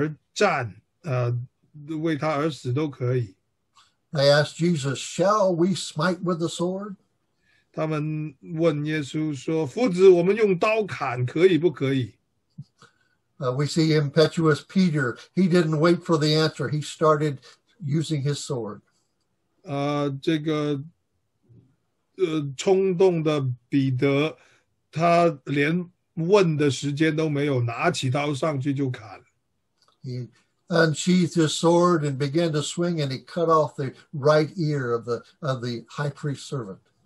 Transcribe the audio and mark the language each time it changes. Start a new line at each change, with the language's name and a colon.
Chinese: 门徒们愿意为耶稣而战，为他而死都可以。
English: They asked Jesus, shall we smite with the sword?
Chinese: 他们问耶稣说，夫子，我们用刀砍可以不可以？
English: We see impetuous Peter. He didn't wait for the answer. He started using his sword.
Chinese: 这个冲动的彼得，他连问的时间都没有，拿起刀上去就砍。He
English: unsheathed his sword and began to swing, and he cut off the right ear of the high priest's servant.